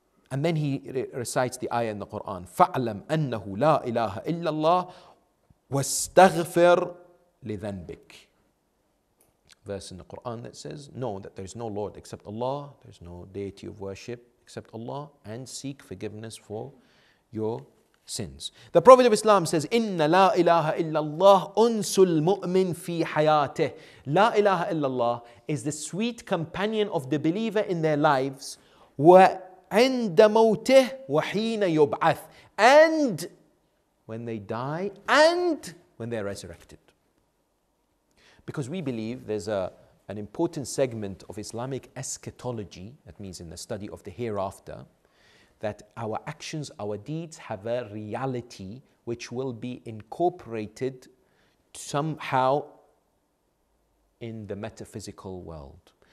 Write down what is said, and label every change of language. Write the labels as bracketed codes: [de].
[en] And then he recites the ayah in the Quran. [ar] Fa'alam annahu la ilaha illallah wa staghfir li dhanbik. [en] Verse in the Quran that says, know that there is no Lord except Allah, there is no deity of worship except Allah, and seek forgiveness for your sins. The Prophet of Islam says, [ar] إِنَّ لَا إِلَٰهَ إِلَّا اللَّهُ أُنْسُ الْمُؤْمِنِ فِي حَيَاتِهِ. لا إله إلا الله [en] is the sweet companion of the believer in their lives, [ar] وَعِنْدَ مَوْتِهِ وَحِينَ يُبْعَثِ, [en] and when they die, and when they are resurrected. Because we believe there's an important segment of Islamic eschatology, that means in the study of the hereafter, that our actions, our deeds have a reality which will be incorporated somehow in the metaphysical world.